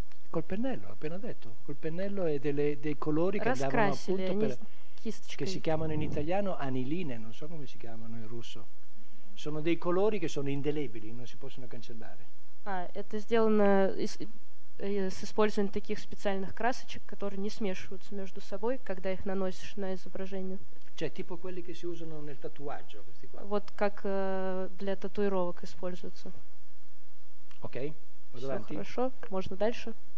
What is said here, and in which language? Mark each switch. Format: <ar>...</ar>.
<it>Col pennello, appena detto. Col pennello e dei colori che andavano appunto che si chiamano in italiano aniline, non so come si chiamano in russo. Sono dei colori che sono indelebili, non si possono cancellare.</it> <ru>Это сделано с использованием таких специальных красочек, которые не смешиваются между собой, когда их наносишь на изображение.</ru> <it>Cioè, tipo quelli che si usano nel tatuaggio, questi qua.</it> <ru>Вот как для татуировок используются. Окей. Okay, все хорошо, можно дальше.</ru>